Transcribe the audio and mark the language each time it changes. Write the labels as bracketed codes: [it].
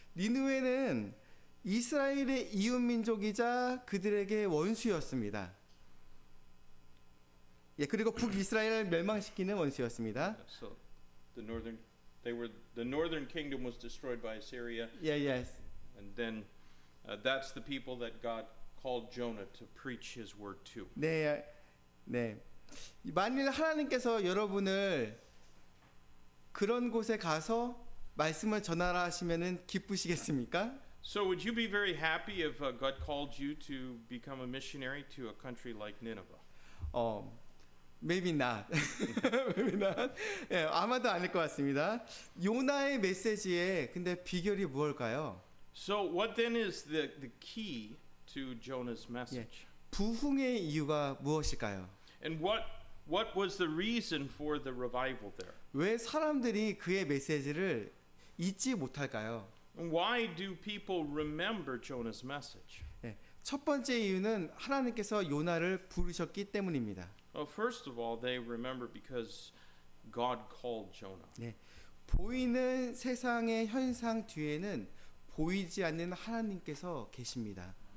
[ko] 니느웨는 이스라엘의 이웃 민족이자 그들에게 원수였습니다. 예, 그리고 북 이스라엘을 멸망시키는 원수였습니다. [en] So the northern, they were the northern kingdom was destroyed by Assyria. Yeah, yes. And then that's the people that God called Jonah to preach His word to. [ko] 네, 네. 만일 하나님께서 여러분을 그런 곳에 가서 말씀을 전하라 하시면은 기쁘시겠습니까? [en] So would you be very happy if God called you to become a missionary to a country like Nineveh? Maybe not. maybe not. [ko] 예, 아마도 아닐 것 같습니다. 요나의 메시지에 근데 비결이 무엇일까요? [en] So what then is the key to Jonah's message? [ko] 예, 부흥의 이유가 무엇일까요? [en] And what was the reason for the revival there? [ko] 왜 사람들이 그의 메시지를 잊지 못할까요? [en] Why do people remember Jonah's message? [ko] 예, 첫 번째 이유는 하나님께서 요나를 부르셨기 때문입니다. [en] Well, first of all, they remember because God called Jonah. [ko] 네, 보이는 세상의 현상 뒤에는 보이지 않는 하나님께서 계십니다.